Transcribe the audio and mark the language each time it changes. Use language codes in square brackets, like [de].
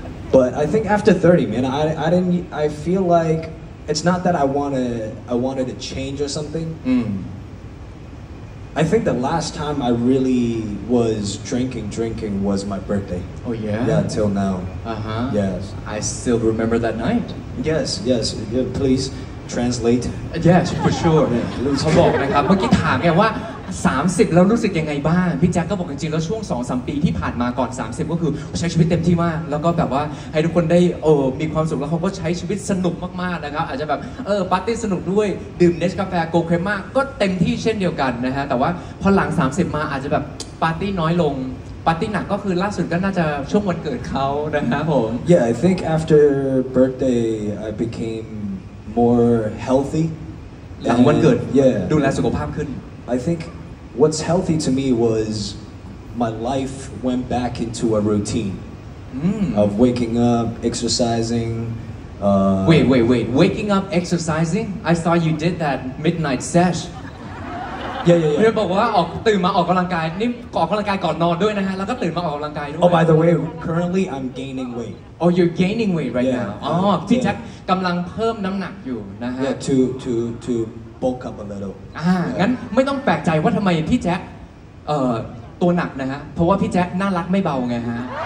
[en] But I think after 30, man, I feel like it's not that I wanted to change or something. Mm. I think the last time I really was drinking was my birthday. Oh yeah? Yeah, till now. Uh-huh. Yes. I still remember that night. Yes. Yeah, please translate. Yes, for sure. [th] เขาบอกนะครับเมื่อกี้ถามไงว่า30แล้วรู้สึกยังไงบ้างพี่แจ็คก็บอกจริงๆแล้วช่วง 2-3 ปีที่ผ่านมาก่อน30ก็คือใช้ชีวิตเต็มที่มากแล้วก็แบบว่าให้ทุกคนได้มีความสุขแล้วเขาก็ใช้ชีวิตสนุกมากๆนะครับอาจจะแบบปาร์ตี้สนุกด้วยดื่มเนสกาแฟโกเครม่าก็เต็มที่เช่นเดียวกันนะฮะแต่ว่าพอหลัง30มาอาจจะแบบปาร์ตี้น้อยลงปาร์ตี้หนักก็คือล่าสุดก็น่าจะช่วงวันเกิดเขานะครับผม [en] Yeah I think after birthday I became more healthy [th] หลังวันเกิด [en] yeah [th] ดูแลสุขภาพขึ้น [en] I think what's healthy to me was my life went back into a routine of waking up, exercising. Wait. Waking up, exercising? I saw you did that midnight sesh. Yeah. You said that you woke up and exercise. You said that you woke up and exercise before you sleep, and then you woke up and exercise. Oh, by the way, currently I'm gaining weight. Oh, you're gaining weight right now. [th] Oh, ที่ จัก กำลัง เพิ่ม น้ำหนัก อยู่ นะฮะ [en] Yeah, to. Bulk up a little. [th] งั้นไม่ต้องแปลกใจว่าทำไมพี่แจ็คตัวหนักนะฮะเพราะว่าพี่แจ็คน่ารักไม่เบาไงฮะ